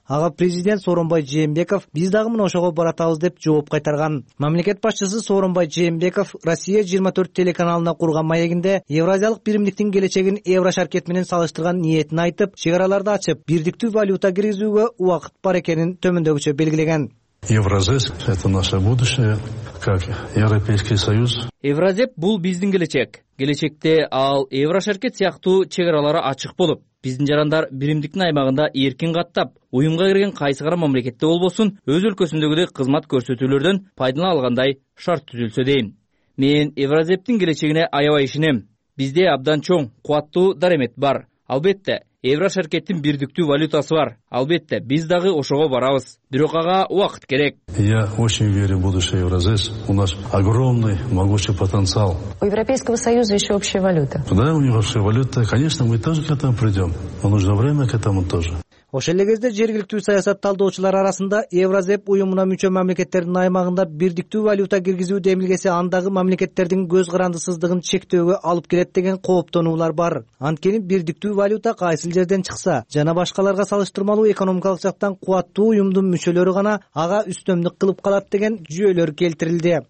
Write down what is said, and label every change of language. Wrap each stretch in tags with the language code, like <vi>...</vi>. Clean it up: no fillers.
<ky>Ага президент Сооронбай Жээнбеков биз дагы мына ошого баратабыз деп жооп кайтарган. Мамлекет башчысы Сооронбай Жээнбеков Россия 24 телеканалына курган маегинде Евразиялык биримдиктин келечегин Евра шаркет менен салыштырган ниетин айтып, чек араларды ачып, бирдиктүү валюта киргизүүгө убакыт бар экенин төмөндөгүчө белгилеген.</ky> <ru>Евразия это наше будущее, как Европейский Союз.</ru> <ky>Евразия бул биздин келечек. Келечекте ал Евра шаркет сыяктуу чек аралары ачык болуп, биздин жарандар биримдиктин аймагында эркин каттап, уюмга кирген кайсы кара мамлекетте болбосун, өз өлкөсүндөгүдөй кызмат көрсөтүүлөрдөн пайдалана алгандай шарт түзүлсө дейм. Мен Евразептин келечегине аябай ишенем. Бизде абдан чоң кубаттуу даремет бар. Албетте, Евра шаркеттин бирдиктүү валютасы бар. Албетте, биз дагы ошого барабыз. Бирок ага убакыт керек.</ky> <ru>Я очень верю в будущее Евразии. У нас огромный, могучий потенциал. У Европейского Союза еще общая валюта. Да, у него общая валюта. Конечно, мы тоже к этому придем. Но нужно время к этому тоже.</ru> <ky>Ошол эле кезде жергиликтүү саясат талдоочулар арасында Евразия уюмуна мүчө мамлекеттердин аймагында бирдиктүү валюта киргизүү демилгеси андагы мамлекеттердин көз карандысыздыгын чектөөгө алып келет деген кооптонуулар бар. Анткени бирдиктүү валюта кайсыл жерден чыкса жана башкаларга салыштырмалуу экономикалык жактан кубаттуу уюмдун мүчөлөрү гана ага үстөмдүк кылып калат деген жүйөлөр келтирилди.</ky>